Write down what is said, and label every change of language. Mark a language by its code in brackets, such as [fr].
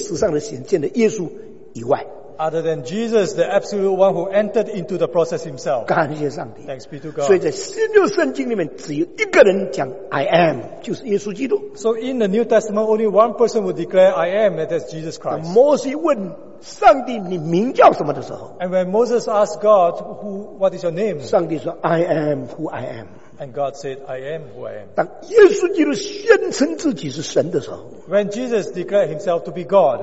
[zh] 除了上帝亲自进入过程，道成肉身在历史上的显现的耶稣以外。 [en] Other than Jesus, the absolute one who entered into the process himself. [zh] 感谢上帝。 [en] Thanks be to God. [zh] 所以在新约圣经里面只有一个人讲 [en] I am, [zh] 就是耶稣基督。 [en] So in the New Testament, only one person would declare I am, and that's Jesus Christ. [zh] 摩西问, 上帝你名叫什么的时候, [en] and when Moses asked God, what is your name? [zh] 上帝说, [en] I am who I am. And God said, I am who I am. [zh] 当耶稣基督宣称自己是神的时候, [en] when Jesus declared himself to be God,